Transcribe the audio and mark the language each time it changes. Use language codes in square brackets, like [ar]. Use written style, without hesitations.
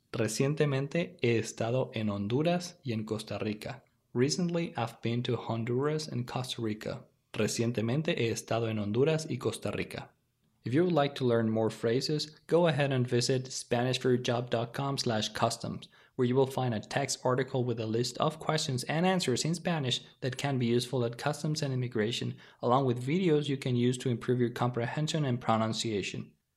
[es] Recientemente he estado en Honduras y en Costa Rica. [en] Recently, I've been to Honduras and Costa Rica. [es] Recientemente he estado en Honduras y Costa Rica. [en] If you would like to learn more phrases, go ahead and visit spanishforyourjob.com/customs, where you will find a text article with a list of questions and answers in Spanish that can be useful at customs and immigration, along with videos you can use to improve your comprehension and pronunciation.